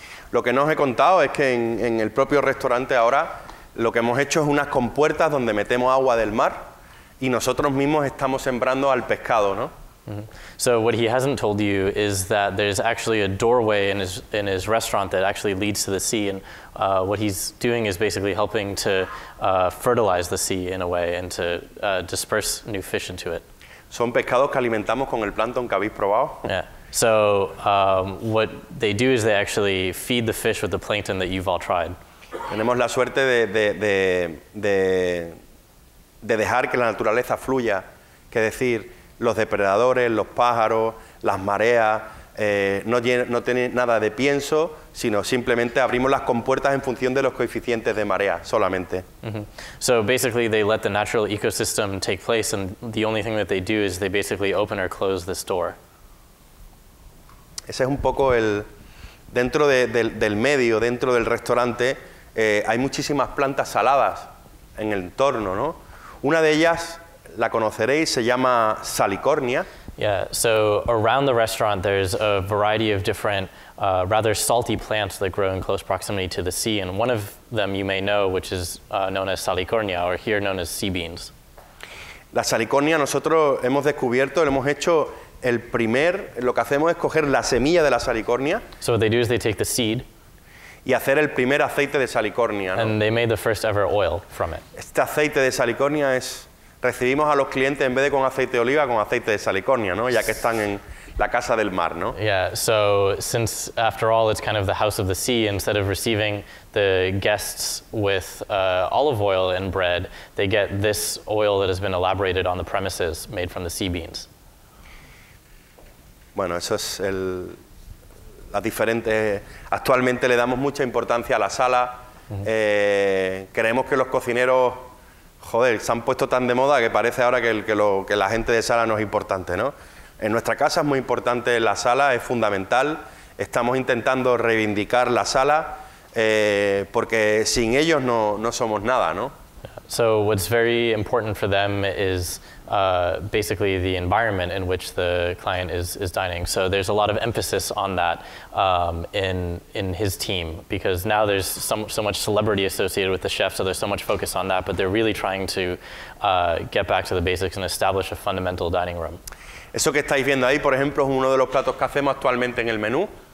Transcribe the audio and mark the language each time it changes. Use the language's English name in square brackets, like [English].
[Spanish] Lo que no os he contado es que en el propio restaurante ahora lo que hemos hecho es unas compuertas donde metemos agua del mar y nosotros mismos estamos sembrando al pescado, ¿no? [English] So what he hasn't told you is that there's actually a doorway in his restaurant that actually leads to the sea, and what he's doing is basically helping to fertilize the sea in a way and to disperse new fish into it. [Spanish] Son pescados que alimentamos con el plancton que habéis probado. [English] Yeah. So what they do is they actually feed the fish with the plankton that you've all tried. [Spanish] Tenemos la suerte de dejar que la naturaleza fluya, que decir, los depredadores, los pájaros, las mareas, no tienen nada de pienso, sino simplemente abrimos las compuertas en función de los coeficientes de marea, solamente. Mm-hmm. [English] So basically they let the natural ecosystem take place, and the only thing that they do is they basically open or close this door. [Spanish] Ese es un poco el... Dentro del medio, dentro del restaurante, hay muchísimas plantas saladas en el entorno, ¿no? Una de ellas la conoceréis, se llama salicornia. [English] Yeah, so around the restaurant there's a variety of different rather salty plants that grow in close proximity to the sea, and one of them you may know, which is known as salicornia, or here known as sea beans. [Spanish] La salicornia nosotros hemos descubierto, lo hemos hecho el primer, lo que hacemos es coger la semilla de la salicornia. [English] So what they do is they take the seed. [Spanish] Y hacer el primer aceite de salicornia. [English] And [Spanish] ¿no? [English] They made the first ever oil from it. [Spanish] Este aceite de salicornia es... Recibimos a los clientes en vez de con aceite de oliva, con aceite de salicornia, ¿no? Ya que están en la casa del mar, ¿no? [English] Yeah, so since after all it's kind of the house of the sea, instead of receiving the guests with olive oil and bread, they get this oil that has been elaborated on the premises made from the sea beans. [Spanish] Bueno, eso es la diferente. Actualmente le damos mucha importancia a la sala. Mm-hmm. creemos que los cocineros, joder, se han puesto tan de moda que parece ahora que la gente de sala no es importante, ¿no? En nuestra casa es muy importante la sala, es fundamental. Estamos intentando reivindicar la sala porque sin ellos no somos nada, ¿no? [English] So what's very important for them is basically the environment in which the client is dining. So there's a lot of emphasis on that in his team, because now there's so much celebrity associated with the chef, so there's so much focus on that, but they're really trying to get back to the basics and establish a fundamental dining room. [Spanish] Eso que estáis viendo ahí, por ejemplo, es uno de los platos que hacemos actualmente en el menú.